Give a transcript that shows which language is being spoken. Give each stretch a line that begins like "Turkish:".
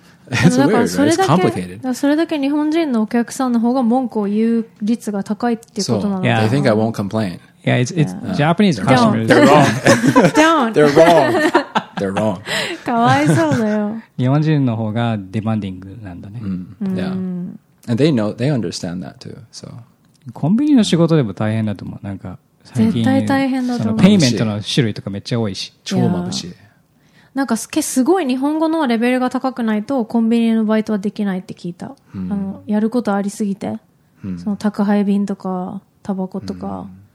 English: It's weird, right? It's complicated.
Japanese: それだけ日本人のお客さんの方が文句を言う率が高いっていうことなの。
English: Yeah, I think I won't complain. Yeah, it's Japanese customers. They're wrong. Don't. They're wrong. They're wrong.
Japanese: かわいそうだよ。日本人の方がデマンディングなんだね。
English: Yeah. And they know, they understand that too, so.
Japanese: コンビニの仕事でも大変だと思う。なんか、最近。絶対大変だと思う。ペイメントの種類とかめっちゃ多いし。超眩しい。なんか、すごい日本語のレベルが高くないと、コンビニのバイトはできないって聞いた。やることありすぎて。その宅配便とか、タバコとか。